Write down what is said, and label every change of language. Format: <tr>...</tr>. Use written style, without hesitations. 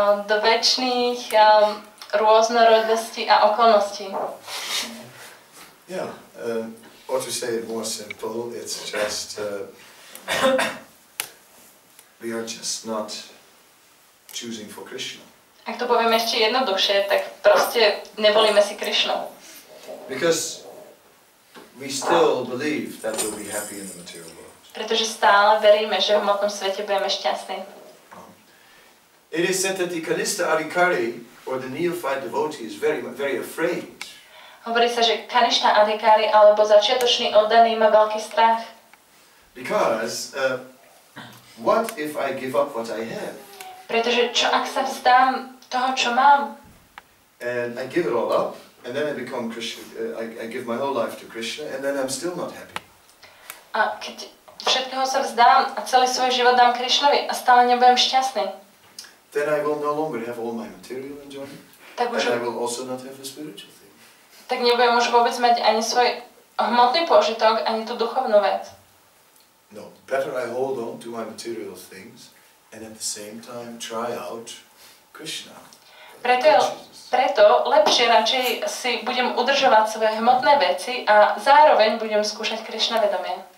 <sk>Do väčšných rôznorodosti a okolností.</sk> <en>Yeah, or to say it more simple, it's just we are just not choosing for Krishna.</en> <sk>Ak to poviem ešte jednoduchšie, tak proste nevolíme si Krišnu.</sk> <en>Because we still believe that we'll be happy in the material world.</en> <sk>Pretože stále veríme, že v hmotnom svete budeme šťastní.</sk> <en>It is said that the Kanista Adhikari or the neophyte devotee is very, very afraid.</en> <sk>Hovorí sa, že Kanista Adhikari alebo začiatočný oddaný má veľký strach.</sk> <en>Because what if I give up what I have?</en> <sk>Pretože čo ak sa vzdám toho, čo mám?</sk> <en>And I give it all up and then I become Krishna. I give my whole life to Krishna and then I'm still not happy.</en> <sk>A keď všetkého sa vzdám a celý svoj život dám Krišnovi a stále nebudem šťastný.</sk> <en>Then I will no longer have all my material enjoyment. I will also not have the spiritual thing.</en> <sk>Tak nebudem už vôbec mať ani svoj hmotný požitok, ani tú duchovnú vec.</sk> <en>No, better I hold on to my material things and at the same time try out Krishna.</en> <sk>Preto lepšie radšej si budem udržovať svoje hmotné veci a zároveň budem skúšať Krišna vedomie.</sk>